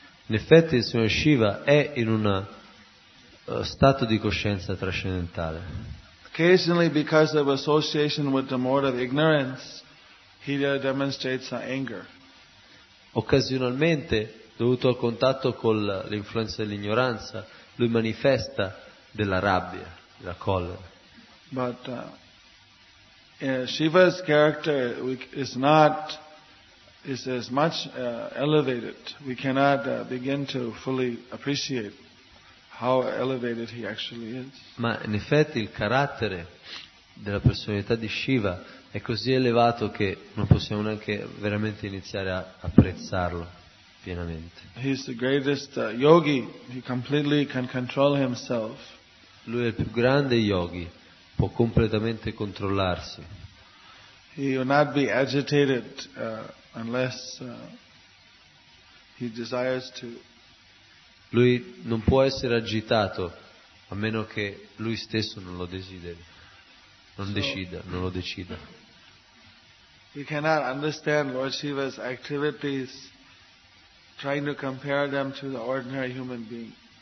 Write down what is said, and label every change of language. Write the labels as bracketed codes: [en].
[it] In effetti, il Signore Shiva è in un stato di coscienza trascendentale. [en] Occasionally, because of association with the mode of ignorance, he demonstrates anger. [it] Occasionalmente, dovuto al contatto con l'influenza dell'ignoranza, lui manifesta della rabbia, della collera. [en] But Shiva's character is as much elevated. We cannot begin to fully appreciate how elevated he actually is. [it] Ma in effetti il carattere della personalità di Shiva è così elevato che non possiamo neanche veramente iniziare a apprezzarlo pienamente. [en] He's the greatest yogi. He completely can control himself. [it] Lui è il più grande yogi, può completamente controllarsi. [en] He will not be agitated unless he desires to. [it] Lui non può essere agitato a meno che lui stesso non lo desideri, non lo decida. [en] We cannot understand Lord Shiva's activities trying to compare them to the ordinary human being.